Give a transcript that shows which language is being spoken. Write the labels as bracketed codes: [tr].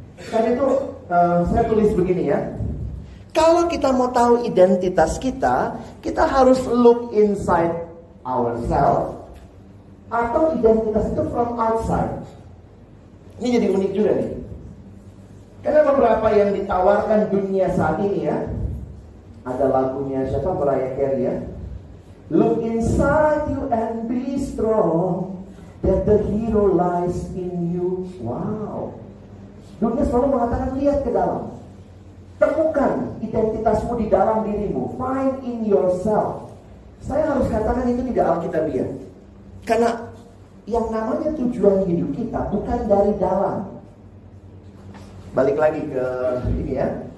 [id] Karena itu saya tulis begini ya. Kalau kita mau tahu identitas kita, kita harus [en] look inside ourselves [id] atau identitas itu [en] from outside. [id] Ini jadi unik juga nih. Karena beberapa yang ditawarkan dunia saat ini ya, ada lagunya siapa Mariah Carey ya, [en] Look inside you and be strong, that the hero lies in you. Wow. [id] Dunia selalu mengatakan lihat ke dalam. Temukan identitasmu di dalam dirimu. [en] Find in yourself. [id] Saya harus katakan itu tidak alkitabiah. Karena yang namanya tujuan hidup kita bukan dari dalam. Balik lagi ke ini ya.